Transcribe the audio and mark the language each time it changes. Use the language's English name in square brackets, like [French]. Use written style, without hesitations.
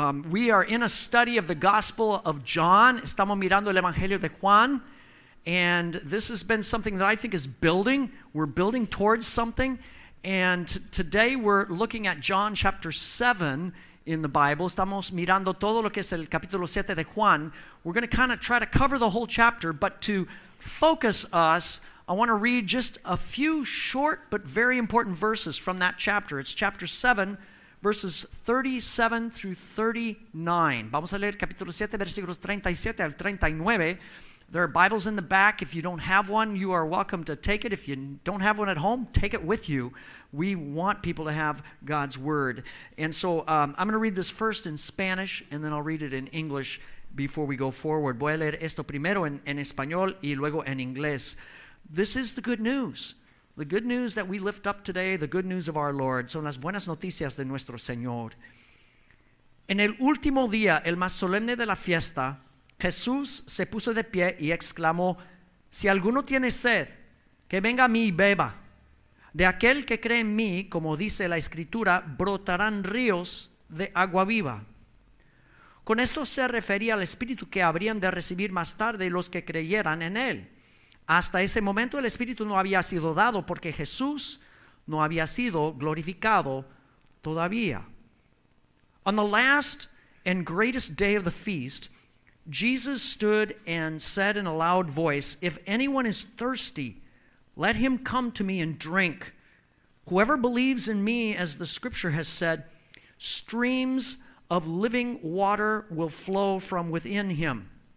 [English] We are in a study of the Gospel of John. [Spanish] Estamos mirando el Evangelio de Juan. [English] And this has been something that I think is building. We're building towards something. And today we're looking at John chapter 7 in the Bible. [Spanish] Estamos mirando todo lo que es el capítulo 7 de Juan. [English] We're going to kind of try to cover the whole chapter, but to focus us, I want to read just a few short but very important verses from that chapter. It's chapter 7, verses 37 through 39. [Spanish] Vamos a leer capítulo 7, versículos 37 al 39. [English] There are Bibles in the back. If you don't have one, you are welcome to take it. If you don't have one at home, take it with you. We want people to have God's Word. And so I'm going to read this first in Spanish, and then I'll read it in English before we go forward. [Spanish] Voy a leer esto primero en español y luego en inglés. [English] This is the good news. The good news that we lift up today, the good news of our Lord. [Spanish] Son las buenas noticias de nuestro Señor. En el último día, el más solemne de la fiesta, Jesús se puso de pie y exclamó, si alguno tiene sed, que venga a mí y beba. De aquel que cree en mí, como dice la Escritura, brotarán ríos de agua viva. Con esto se refería al Espíritu que habrían de recibir más tarde los que creyeran en él. Hasta ese momento el Espíritu no había sido dado porque Jesús no había sido glorificado todavía. [English] On the last and greatest day of the feast, Jesus stood and said in a loud voice, if anyone is thirsty, let him come to me and drink. Whoever believes in me, as the scripture has said, streams of living water will flow from within him.